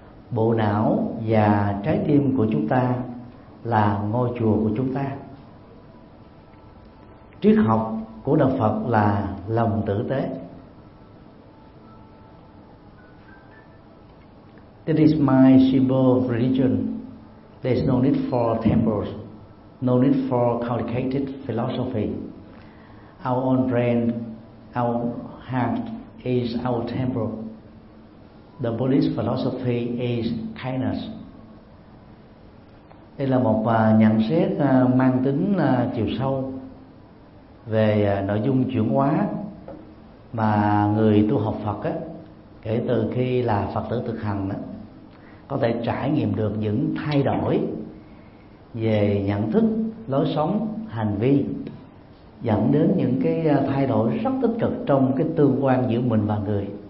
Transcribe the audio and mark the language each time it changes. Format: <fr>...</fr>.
<vi>Bộ não và trái tim của chúng ta là ngôi chùa của chúng ta. Triết học của Đạo Phật là lòng tử tế.</vi> <en>It is my simple religion. There is no need for temples, no need for complicated philosophy. Our own brain, our heart is our temple. The Buddhist philosophy is kindness.</en> <vi>Đây là một nhận xét mang tính chiều sâu về nội dung chuyển hóa mà người tu học Phật á, kể từ khi là Phật tử thực hành á, có thể trải nghiệm được những thay đổi về nhận thức, lối sống, hành vi, dẫn đến những cái thay đổi rất tích cực trong cái tương quan giữa mình và người.</vi>